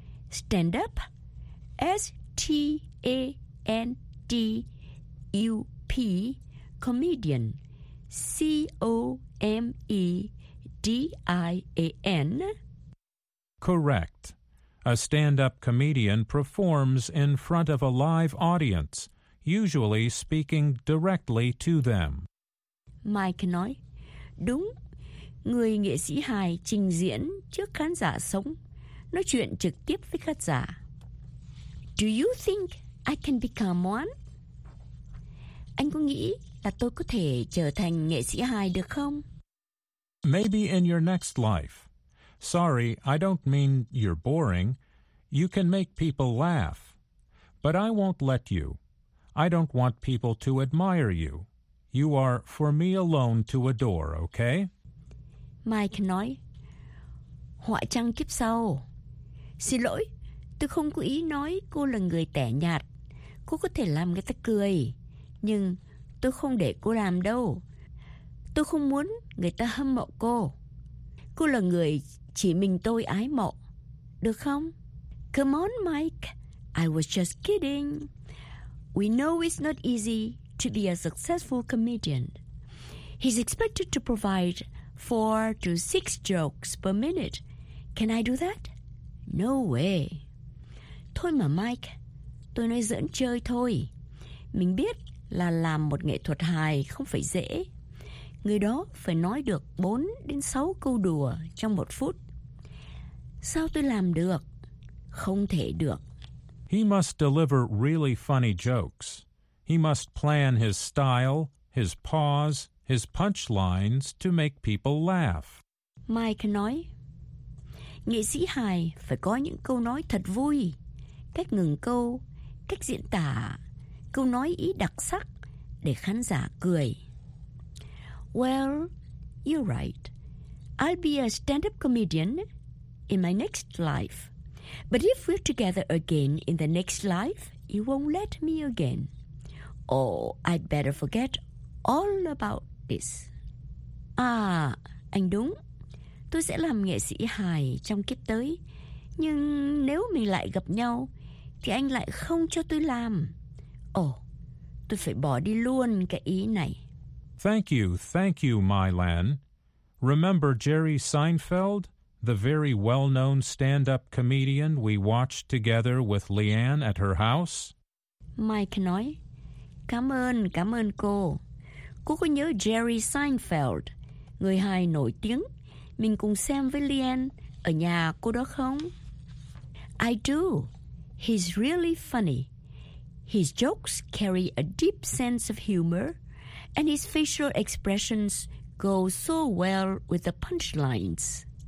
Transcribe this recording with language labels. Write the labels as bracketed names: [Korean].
[English] Stand up, S-T-A-N-D-U-P, comedian, C-O-M-E-D-I-A-N. Correct. A stand-up comedian performs in front of a live audience, usually speaking directly to them. [Vietnamese] Mike nói, đúng, người nghệ sĩ hài trình diễn trước khán giả sống. Nói chuyện trực tiếp với khán giả. [English] Do you think I can become one? [Vietnamese] Anh có nghĩ là tôi có thể trở thành nghệ sĩ hài được không? [English] Maybe in your next life. Sorry, I don't mean you're boring. You can make people laugh. But I won't let you. I don't want people to admire you. You are for me alone to adore, okay? [Vietnamese] Mike nói, họa trăng kiếp sau. Xin lỗi, tôi không có ý nói cô là người tẻ nhạt. Cô có thể làm người ta cười, nhưng tôi không để cô làm đâu. Tôi không muốn người ta hâm mộ cô. Cô là người chỉ mình tôi ái mộ, được không? [English] Come on, Mike. I was just kidding. We know it's not easy to be a successful comedian. He's expected to provide 4 to 6 jokes per minute. Can I do that? No way. [Vietnamese] Thôi mà Mike, tôi nói giỡn chơi thôi. Mình biết là làm một nghệ thuật hài không phải dễ. Người đó phải nói được 4 đến 6 câu đùa trong 1 phút. Sao tôi làm được? Không thể được. [English] He must deliver really funny jokes. He must plan his style, his pause, his punchlines to make people laugh. [Vietnamese] Mike nói, nghệ sĩ hài phải có những câu nói thật vui, cách ngừng câu, cách diễn tả, câu nói ý đặc sắc để khán giả cười. [English] Well, you're right. I'll be a stand-up comedian in my next life. But if we're together again in the next life, you won't let me again. Oh, I'd better forget all about this. [Vietnamese] Anh đúng. Tôi sẽ làm nghệ sĩ hài trong kiếp tới. Nhưng nếu mình lại gặp nhau, thì anh lại không cho tôi làm. Tôi phải bỏ đi luôn cái ý này. [English] Thank you, Mylan. Remember Jerry Seinfeld, the very well-known stand-up comedian we watched together with Leanne at her house? [Vietnamese] Mike nói, cảm ơn cô. Cô có nhớ Jerry Seinfeld, người hài nổi tiếng, mình cùng xem với Lian ở nhà cô đó không? [English] I do. He's really funny. His jokes carry a deep sense of humor, and his facial expressions go so well with the punchlines.